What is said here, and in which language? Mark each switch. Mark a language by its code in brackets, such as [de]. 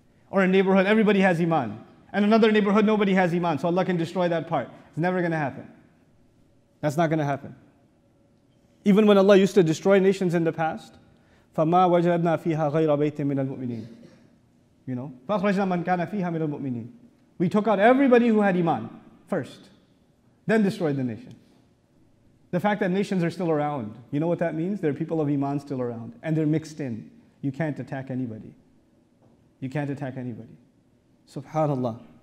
[en] Or a neighborhood, everybody has iman. And another neighborhood, nobody has iman. So Allah can destroy that part. It's never going to happen. That's not going to happen. Even when Allah used to destroy nations in the past, [ar] فَمَا وَجَدْنَا فِيهَا غَيْرَ بَيْتٍ مِنَ الْمُؤْمِنِينَ. [en] You know, [ar] فَأَخْرَجْنَا مَنْ كَانَ فِيهَا مِنَ الْمُؤْمِنِينَ. [en] We took out everybody who had iman first, then destroyed the nation. The fact that nations are still around, you know what that means? There are people of iman still around, and they're mixed in. You can't attack anybody. You can't attack anybody. Subhanallah.